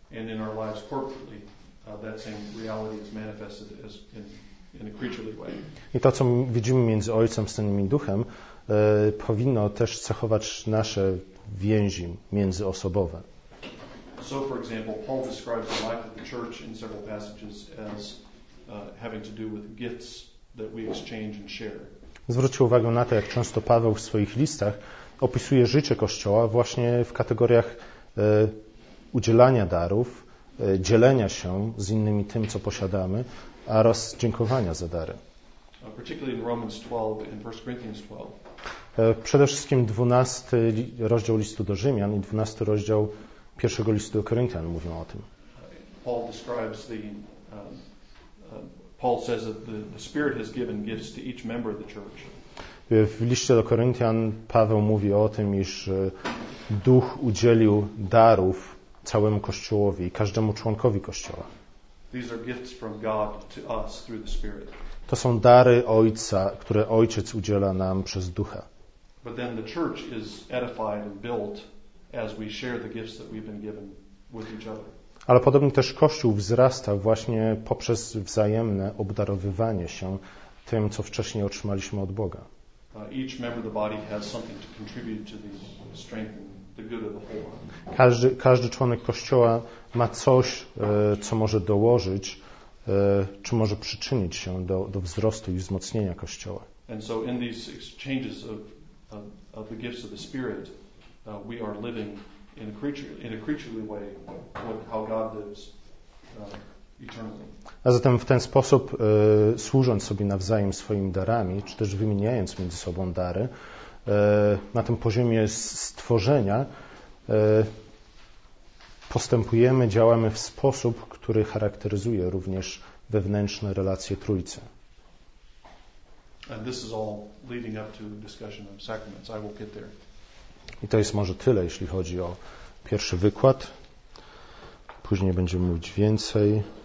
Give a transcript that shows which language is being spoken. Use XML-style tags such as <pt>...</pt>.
<en>And in our lives corporately, that same reality is manifested as in a creaturely way.</en> <pl>I to, co widzimy między Ojcem, Synem i Duchem, powinno też cechować nasze więzi międzyosobowe.</pl> <en>So, for example, Paul describes the life of the church in several passages as having to do with gifts that we exchange and share.</en> <pl>Zwrócił uwagę na to, jak często Paweł w swoich listach opisuje życie Kościoła właśnie w kategoriach udzielania darów, dzielenia się z innymi tym, co posiadamy, oraz dziękowania za dary.</pl> <en>Particularly in Romans 12 and 1 Corinthians 12.</en> <pl>Przede wszystkim 12 rozdział listu do Rzymian i 12 rozdział pierwszego listu do Koryntian mówią o tym.</pl> <en>Paul describes the Paul says that the Spirit has given gifts to each member of the church.</en> <pl>W liście do Koryntian Paweł mówi o tym, iż Duch udzielił darów całemu Kościołowi i każdemu członkowi Kościoła.</pl> <en>These are gifts from God to us through the Spirit.</en> <pl>To są dary Ojca, które Ojciec udziela nam przez Ducha.</pl> <en>But then the church is edified and built as we share the gifts that we've been given with each other.</en> <pl>Ale podobnie też Kościół wzrasta właśnie poprzez wzajemne obdarowywanie się tym, co wcześniej otrzymaliśmy od Boga.</pl> <en>Each member of the body has something to contribute to the strength and the good of the whole.</en> <pl>Każdy członek Kościoła ma coś, co może dołożyć, czy może przyczynić się do wzrostu i wzmocnienia Kościoła.</pl> <en>And so in these exchanges of the gifts of the Spirit, we are living in a creaturely way with how God lives eternally.</en> <pl>A zatem w ten sposób, służąc sobie nawzajem swoimi darami, czy też wymieniając między sobą dary, na tym poziomie stworzenia postępujemy, działamy w sposób, który charakteryzuje również wewnętrzne relacje Trójcy.</pl> <en>And this is all leading up to discussion of sacraments. I will get there.</en> <pl>I to jest może tyle, jeśli chodzi o pierwszy wykład. Później będziemy mówić więcej.</pl>